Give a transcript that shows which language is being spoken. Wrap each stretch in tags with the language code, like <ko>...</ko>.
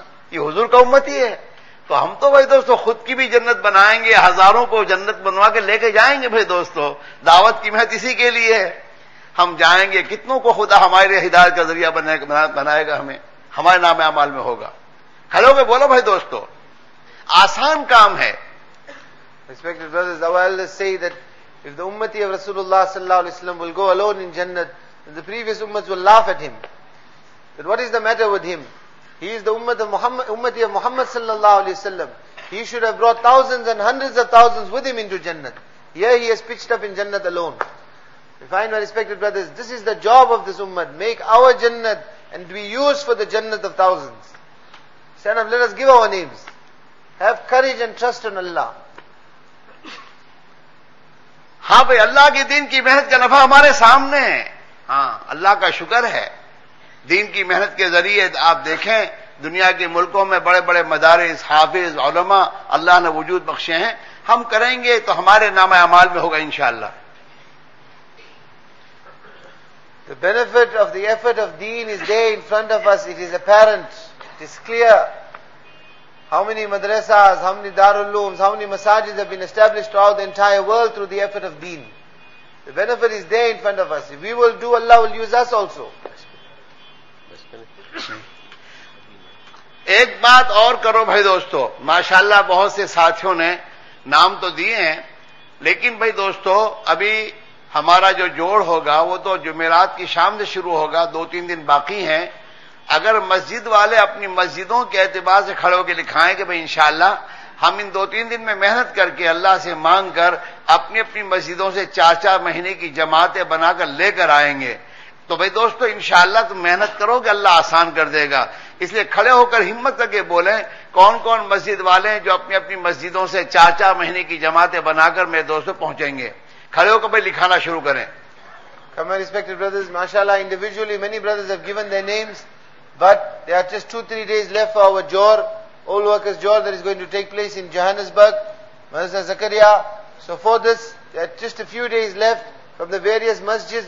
<ur>یہ حضور کا امت ہی ہے تو ہم تو بھائی دوستو خود کی بھی جنت بنائیں گے ہزاروں کو جنت بنوا کے لے کے جائیں گے بھائی دوستو دعوت کی محنت اسی کے لیے ہے ہم جائیں گے کتنوں کو خدا ہمارے ہدایت کا ذریعہ بنائے گا ہمیں ہمارے نام اعمال میں ہوگا ہلو گے بولو بھائی دوستو آسان کام ہے</ur> <en>Respected brothers, our elders say that if the ummati of Rasulullah sallallahu alaihi wasallam will go alone in Jannat, then the previous ummats will laugh at him. But what is the matter with him? He is the ummati of Muhammad sallallahu alaihi wasallam. He should have brought thousands and hundreds of thousands with him into Jannat. Here he has pitched up in Jannat alone. We find my respected brothers, this is the job of this ummat. Make our Jannat and be used for the Jannat of thousands. Stand up, let us give our names. Have courage and trust in Allah.</en> <ur>ہاں بھائی اللہ کی دین کی محنت کا نفع ہمارے سامنے ہے ہاں اللہ کا شکر ہے دین کی محنت کے ذریعے آپ دیکھیں دنیا کے ملکوں میں بڑے بڑے مدارس حافظ علماء اللہ نے وجود بخشے ہیں ہم کریں گے تو ہمارے نام اعمال میں ہوگا انشاءاللہ</ur> <en>The benefit of the effort of deen is there in front of us. It is apparent. It is clear. How many madrasas, how many darulums, how many masajids have been established throughout the entire world through the effort of deen. The benefit is there in front of us. If we will do, Allah will use us also.</en> <ur>Ek baat aur karo bhai dosto. MashaAllah, bahut se saathiyon ne naam to diye hain. Lekin bhai dosto, abhi ہمارا جو جوڑ ہوگا وہ تو جمعرات کی شام سے شروع ہوگا دو تین دن باقی ہیں اگر مسجد والے اپنی مسجدوں کے اعتبار سے کھڑے ہو کے لکھائیں کہ بھئی انشاءاللہ ہم ان دو تین دن میں محنت کر کے اللہ سے مانگ کر اپنی اپنی مسجدوں سے چار چار مہینے کی جماعتیں بنا کر لے کر آئیں گے تو بھئی دوستو انشاءاللہ تم محنت کرو گے اللہ آسان کر دے گا اس لیے کھڑے ہو کر ہمت کر کے بولیں کون کون مسجد والے ہیں جو اپنی اپنی مسجدوں سے چار چار مہینے کی جماعتیں بنا کر میرے دوستوں پہنچیں گے</ur> <en>Come, my respected brothers, mashallah, individually many brothers have given their names, but there are just 2-3 days left for our Jor, all workers Jor that is going to take place in Johannesburg, Madrasa Zakaria. So for this, there are just a few days left from the various masjids.</en>